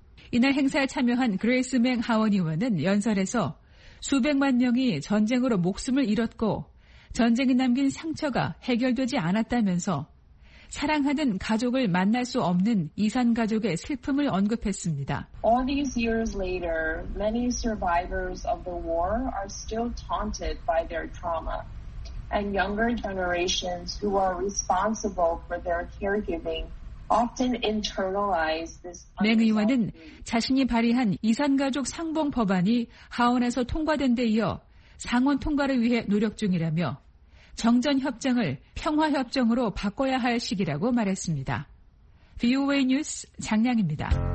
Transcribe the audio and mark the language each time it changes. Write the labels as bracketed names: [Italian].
[Korean] 이날 행사에 참여한 그레이스 맹 하원의원은 연설에서 수백만 명이 전쟁으로 목숨을 잃었고 전쟁이 남긴 상처가 해결되지 않았다면서 사랑하는 가족을 만날 수 없는 이산가족의 슬픔을 언급했습니다. [English] All these years later, many survivors of the war are still taunted by their trauma. And younger generations who are responsible for their caregiving often internalize this. [Korean] 맹 의원은 자신이 발의한 이산가족 상봉 법안이 하원에서 통과된 데 이어 상원 통과를 위해 노력 중이라며 정전협정을 평화협정으로 바꿔야 할 시기라고 말했습니다. VOA 뉴스 장량입니다.